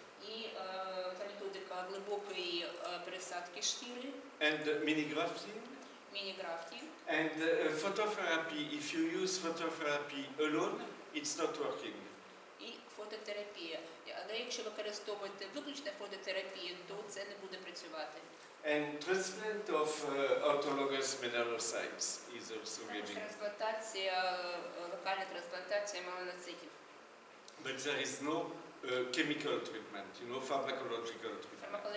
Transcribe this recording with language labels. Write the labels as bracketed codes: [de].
[uk] І та методика глибокої пересадки шкіри. [en] And mini-grafting. Mini-grafting. And phototherapy, if you use phototherapy alone, it's not working. [uk] І фототерапія. Але якщо використовувати виключно фототерапію, то це не буде працювати. [en] And treatment of autologous melanocytes is also very important. But there is no chemical treatment, you know, pharmacological treatment.